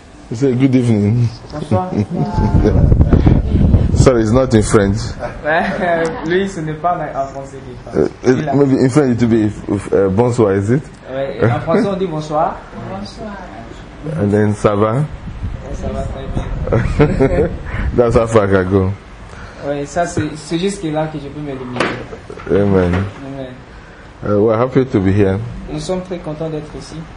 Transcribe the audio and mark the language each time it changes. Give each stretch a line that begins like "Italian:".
English: Good evening. Good evening. Sorry, it's not in French.
French: Lui, ce n'est pas en français.
English: Maybe in French it would be bonsoir, is it?
French: En français, on dit bonsoir. Bonsoir.
English: And then,
French: ça va? Ça va très bien.
English: That's how far I can go.
French: Oui, ça, c'est juste là que je peux me limiter.
English: Amen. Amen. We're happy to be here.
French: Nous sommes très contents d'être ici.